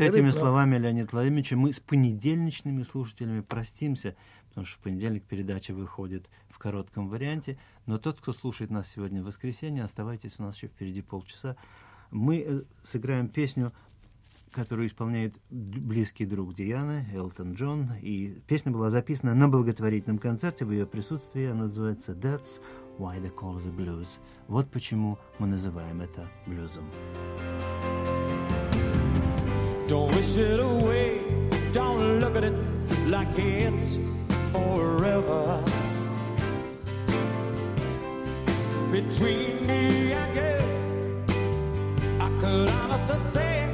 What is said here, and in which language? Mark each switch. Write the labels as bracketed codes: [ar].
[ru] Вот этими словами, Леонид Владимирович, мы с понедельничными слушателями простимся, потому что в понедельник передача выходит в коротком варианте. Но тот, кто слушает нас сегодня в воскресенье, оставайтесь, у нас еще впереди полчаса. Мы сыграем песню, которую исполняет близкий друг Дианы, Элтон Джон. И песня была записана на благотворительном концерте в ее присутствии. Она называется [en] «That's why they call the blues». [ru] Вот почему мы называем это блюзом. [en] Don't wish it away, don't look at it like it's forever. Between me and you, I could honestly say